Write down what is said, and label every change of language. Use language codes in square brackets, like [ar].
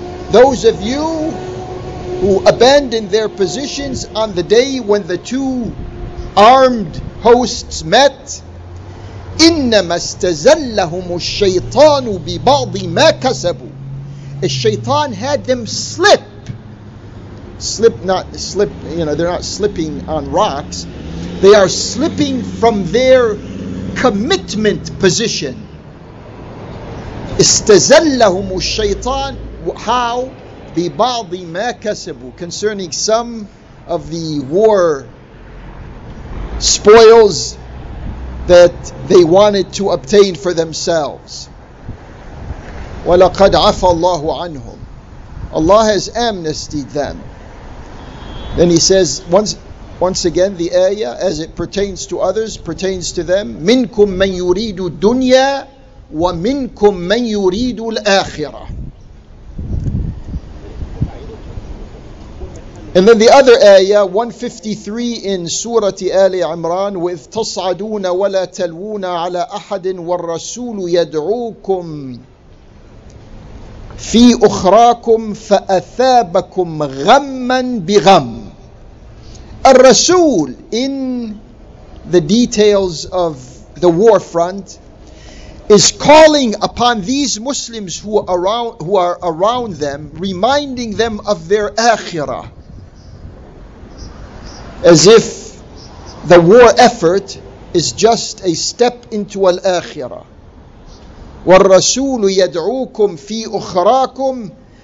[en] Those of you who abandoned their positions on the day when the two armed hosts met, [ar] إِنَّمَا اسْتَزَلَّهُمُ الشَّيْطَانُ بِبَعْضِ مَا كَسَبُوا, [en] a shaitan had them they're not slipping on rocks, they are slipping from their commitment position. [ar] استَزَلَّهُمُ الشَّيْطَانُ, [en] how? [ar] بِبَعْضِ مَا كَسَبُوا, [en] concerning some of the war spoils that they wanted to obtain for themselves. [ar] وَلَقَدْ عَفَى اللَّهُ عَنْهُمْ, [en] Allah has amnestied them. Then he says, once again, the ayah, as it pertains to others, pertains to them. [ar] مِنْكُمْ مَنْ يُرِيدُ الدُّنْيَا وَمِنْكُمْ مَنْ يُرِيدُ الْآخِرَةِ. [en] And then the other ayah, 153 in Surah Ali Imran, with [ar] تَصْعَدُونَ وَلَا تَلْوُونَ عَلَىٰ أَحَدٍ وَالرَّسُولُ يَدْعُوكُمْ في أخراكم فأثابكم غما بغم. [en] الرسول, in the details of the war front, is calling upon these Muslims who are around them, reminding them of their akhirah, as if the war effort is just a step into al akhirah. [ar] وَالرَّسُولُ يَدْعُوكُمْ فِي أُخْرَاكُمْ